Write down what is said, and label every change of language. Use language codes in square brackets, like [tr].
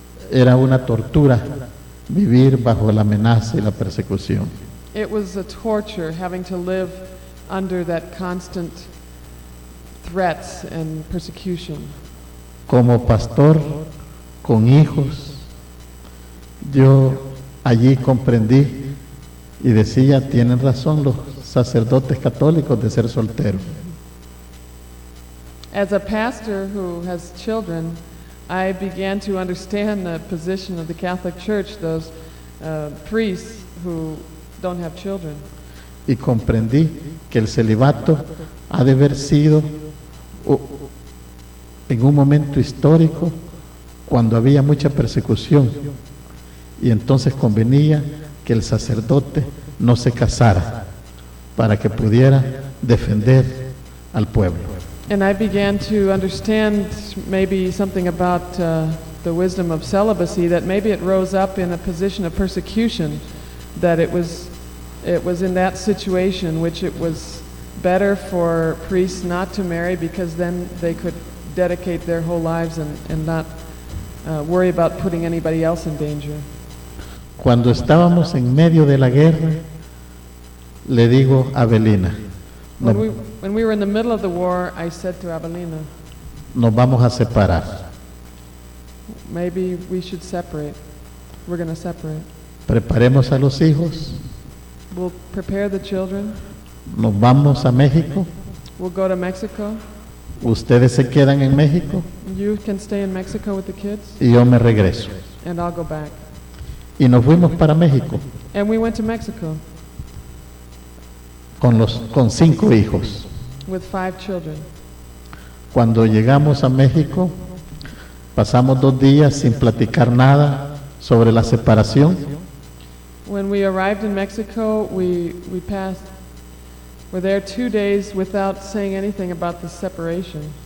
[es] Era una tortura vivir bajo la amenaza y la persecución. [en] It was a torture having to live under that constant threats and persecution. [es] Como pastor con hijos, yo allí comprendí y decía, tienen razón los sacerdotes católicos de ser solteros. [en] As a pastor who has children, I began to understand the position of the Catholic Church, those priests who don't have children. [es] Y comprendí que el celibato ha de haber sido en un momento histórico cuando había mucha persecución. Y entonces convenía que el sacerdote no se casara para que pudiera defender al pueblo. [en] And I began to understand maybe something about the wisdom of celibacy, that maybe it rose up in a position of persecution, that it was in that situation which it was better for priests not to marry, because then they could dedicate their whole lives and not worry about putting anybody else in danger. [es] Cuando estábamos en medio de la guerra, le digo a Abelina, [en] When we were in the middle of the war, I said to Abelina, [es] nos vamos a separar. [en] Maybe we should separate. We're going to separate. [es] Preparemos a los hijos. [en] We'll prepare the children. [es] Nos vamos a México. [en] We'll go to Mexico. [es] Ustedes se quedan en México. [en] You can stay in Mexico with the kids. [es] Y yo me regreso. [en] And I'll go back. [es] Y nos fuimos para México. [en] And we went to Mexico. [es] Con cinco hijos. [en] With five children. [es] Cuando llegamos a México, pasamos dos días sin platicar nada sobre la separación. [en] When we arrived in Mexico, we were there 2 days without saying anything about the separation.